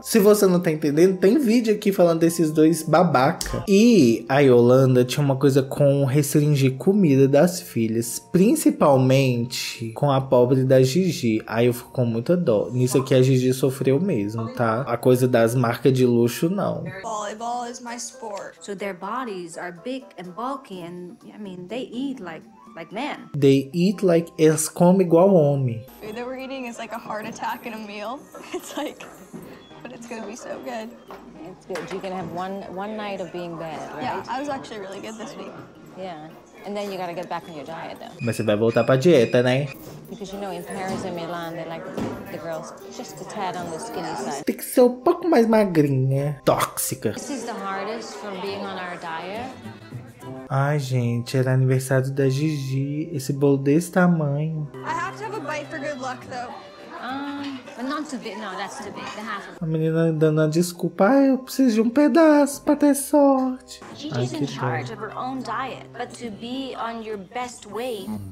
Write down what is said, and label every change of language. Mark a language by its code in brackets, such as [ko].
[pt] Se você não tá entendendo, tem vídeo aqui falando desses dois babaca. E a Yolanda tinha uma coisa com restringir comida das filhas. Principalmente com a pobre da Gigi. Aí eu fico com muita dó. Nisso aqui a Gigi sofreu mesmo, tá? A coisa das marcas de luxo, não. [en] Volleyball is my sport. So their bodies are big and bulky and, I mean, they eat like men. They eat like, [pt] eles comem igual homem. [en] It's like a heart attack in a meal. It's like, but it's gonna be so good. It's good. You can have one night of being bad, right? Yeah, I was actually really good this week. Yeah. And then you gotta get back on your diet though. [pt] Mas você vai voltar pra dieta, né? [en] Because you know, in Paris and Milan, they like the girls just a tad on the skinny side. [pt] Tem que ser um pouco mais magrinha. Tóxica. [en] This is the hardest from being on our diet. [pt] Ai, gente, era aniversário da Gigi. Esse bolo desse tamanho. [en] I have to have a bite for good luck, though. But not too big. No, that's too big. The half. [pt] A menina dando a desculpa. Ai, eu preciso de um pedaço pra ter sorte. [en] Gigi's in charge of her own diet, but to be on your best weight.